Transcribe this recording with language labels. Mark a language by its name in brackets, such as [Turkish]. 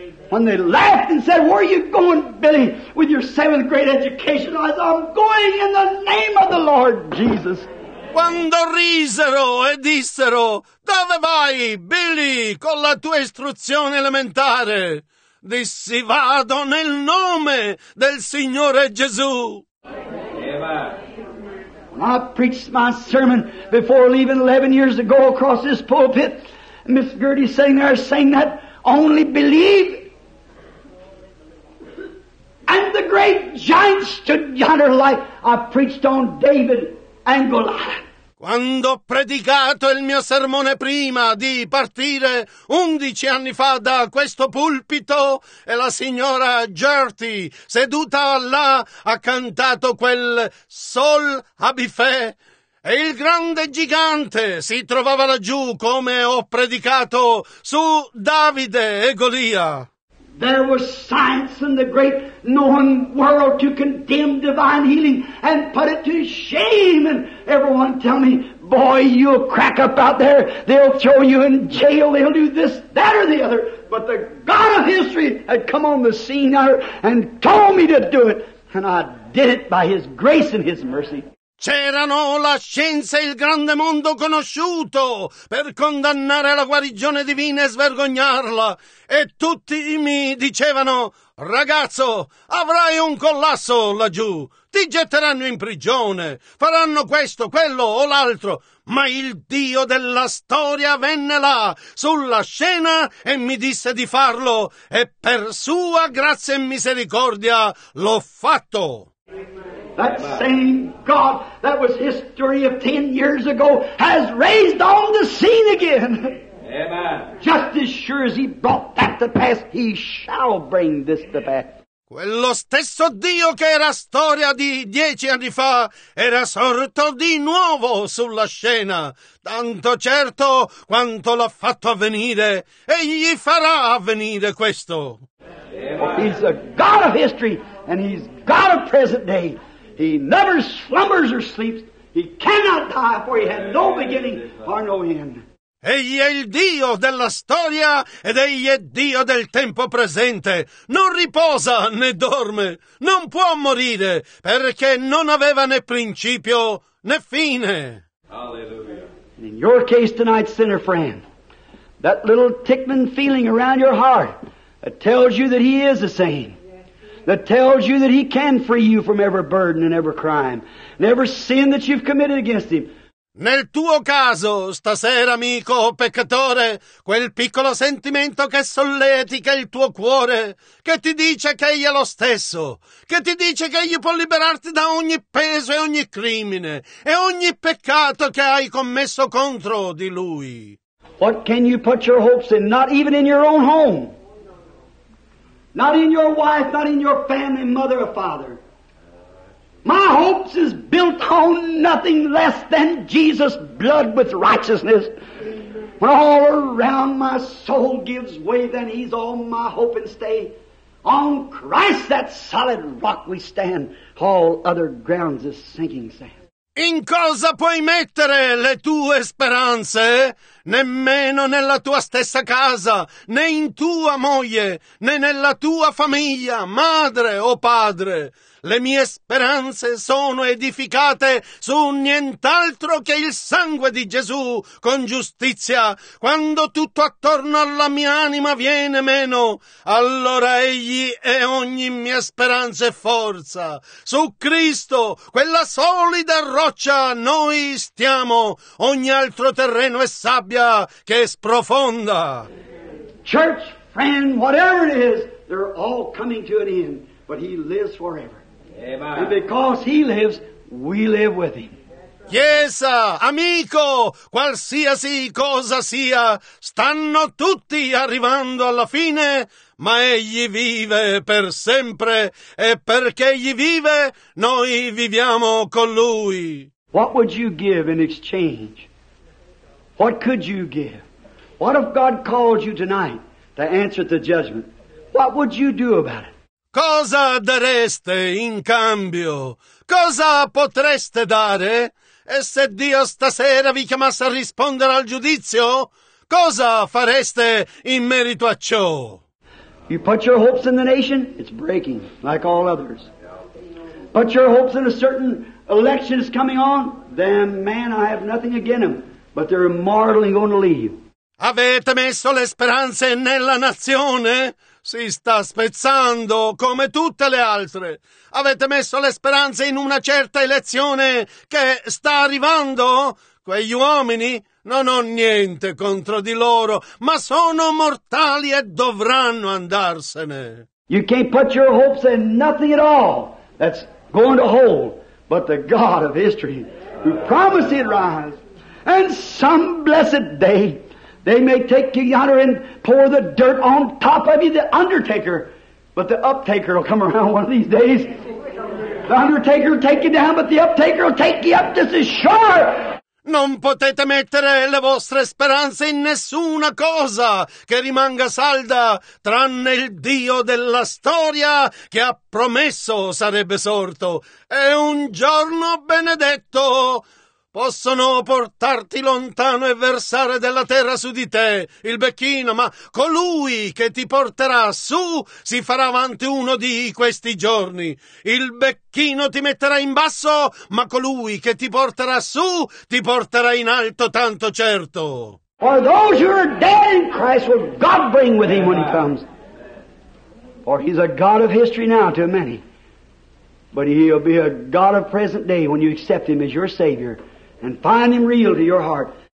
[English] When they laughed and said, "Where are you going, Billy, with your seventh grade education?" I said, "I'm going in the name of the Lord Jesus." [Italian] Quando risero e dissero, "Dove vai, Billy, con la tua istruzione elementare?" Dissi, "Vado nel nome del Signore Gesù." [English] When I preached my sermon before leaving 11 years ago across this pulpit, Miss Gertie sitting there saying that, "Only believe." And the great giant stood yonder like I preached on David and Goliath. [Italian] Quando ho predicato il mio sermone prima di partire 11 anni fa da questo pulpito e la signora Gertie seduta là ha cantato quel Sol Abifè e il grande gigante si trovava laggiù come ho predicato su Davide e Golia. [English] There was science in the great known world to condemn divine healing and put it to shame. And everyone tell me, "Boy, you'll crack up out there. They'll throw you in jail. They'll do this, that, or the other." But the God of history had come on the scene there and told me to do it. And I did it by His grace and His mercy. [Italian] C'erano la scienza e il grande mondo conosciuto per condannare la guarigione divina e svergognarla. E tutti mi dicevano, "Ragazzo, avrai un collasso laggiù, ti getteranno in prigione, faranno questo, quello o l'altro." Ma il Dio della storia venne là, sulla scena, e mi disse di farlo. E per sua grazia e misericordia l'ho fatto. [English] That same God that was history of 10 years ago has raised on the scene again. Amen. Just as sure as He brought that to pass, He shall bring this to pass. [Italian] Quello stesso Dio che era storia di 10 anni fa era sorto di nuovo sulla scena. Tanto certo quanto l'ha fatto avvenire, egli farà avvenire questo. Amen. [English] He's a God of history and He's God of present day. He never slumbers or sleeps. He cannot die, for He had no beginning or no end. [Italian] Egli è il Dio della storia ed egli è Dio del tempo presente. Non riposa né dorme. Non può morire, perché non aveva né principio né fine. [English] Hallelujah. In your case tonight, sinner friend, that little tickling feeling around your heart that tells you that He is the same, that tells you that He can free you from every burden and every crime and every sin that you've committed against Him. [Italian] Nel tuo caso, stasera, amico peccatore, quel piccolo sentimento che solletica il tuo cuore, che ti dice che Egli è lo stesso, che ti dice che Egli può liberarti da ogni peso e ogni crimine e ogni peccato che hai commesso contro di Lui. [English] What can you put your hopes in? Not even in your own home. Not in your wife, not in your family, mother or father. My hopes is built on nothing less than Jesus' blood with righteousness. When all around my soul gives way, then He's all my hope and stay. On Christ, that solid rock we stand, all other grounds is sinking sand. [Italian] In cosa puoi mettere le tue speranze? Nemmeno nella tua stessa casa, né in tua moglie, né nella tua famiglia, madre o padre. Le mie speranze sono edificate su nient'altro che il sangue di Gesù con giustizia. Quando tutto attorno alla mia anima viene meno, allora Egli è ogni mia speranza e forza. Su Cristo, quella solida roccia, noi stiamo. Ogni altro terreno è sabbia che sprofonda. [English] Church, friend, whatever it is, they're all coming to an end, but He lives forever. And because He lives, we live with Him. [Italian] Chiesa, amico, qualsiasi cosa sia, stanno tutti arrivando alla fine, ma Egli vive per sempre, e perché Egli vive, noi viviamo con Lui. [English] What would you give in exchange? What could you give? What if God called you tonight to answer the judgment? What would you do about it? [Italian] Cosa dareste in cambio? Cosa potreste dare? E se Dio stasera vi chiamasse a rispondere al giudizio, cosa fareste in merito a ciò? [English] You put your hopes in the nation, it's breaking, like all others. Put your hopes in a certain election is coming on, then man, I have nothing against them, but they're immortally going to leave. [Italian] Avete messo le speranze nella nazione? Si sta spezzando come tutte le altre. Avete messo le speranze in una certa elezione che sta arrivando? Quegli uomini non ho niente contro di loro, ma sono mortali e dovranno andarsene. [English] You can't put your hopes in nothing at all that's going to hold, but the God of history who promised He'd rise, and some blessed day they may take you yonder and pour the dirt on top of you, the undertaker. But the uptaker will come around one of these days. The undertaker will take you down, but the uptaker will take you up, this is sure. [Italian] Non potete mettere le vostre speranze in nessuna cosa che rimanga salda, tranne il Dio della storia che ha promesso sarebbe sorto. È un giorno benedetto. Possono portarti lontano e versare della terra su di te il becchino, ma colui che ti porterà su si farà avanti uno di questi giorni. Il becchino ti metterà in basso, ma colui che ti porterà su ti porterà in alto, tanto certo. [English] For those who are dead in Christ will God bring with Him when He comes. For He's a God of history now to many. But He'll be a God of present day when you accept Him as your Savior. And find Him real to your heart.